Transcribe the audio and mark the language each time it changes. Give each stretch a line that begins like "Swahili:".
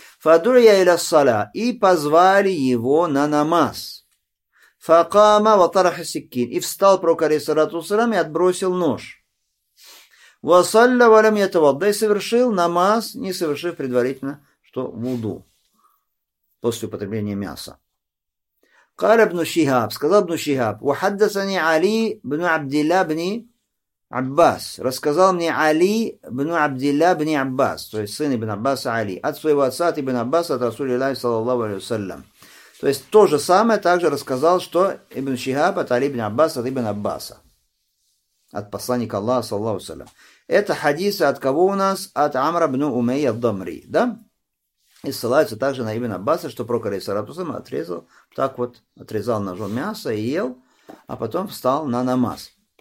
Arabic: Фа дурья иля саля,
Russian: и позвали его на намаз.
Arabic: Фа кама ва тараха сиккин,
Russian: и встал пророк, алейхиссалату вассалям, и отбросил нож.
Arabic: وَصَلَّ وَلَمْ يَتَوَضَّ,
Russian: и совершил намаз, не совершив предварительно, что вуду, после употребления мяса.
Arabic: قال ابن شهاب,
Russian: сказал ابن شهاب,
Arabic: وحدثني علي بن عبد الله بن عباس,
Russian: рассказал мне Али ибн عبد الله بن عباس, то есть сын ибн Аббаса Али, от своего отца, от ибн Аббаса, от
Arabic: رسول الله صلى الله عليه وسلم.
Russian: То есть то же самое также рассказал, что ибн Шихаб от Али ибн Аббаса, от ибн Аббаса. От посланника Аллаха, саллаху салям. Это хадисы от кого у нас? От Амра ибн Умайя ад-Дамри, да? И ссылаются также на ибн Аббаса, что пророк, алейхиссалату вассалям, отрезал, так вот, отрезал ножом мясо и ел, а потом встал на намаз.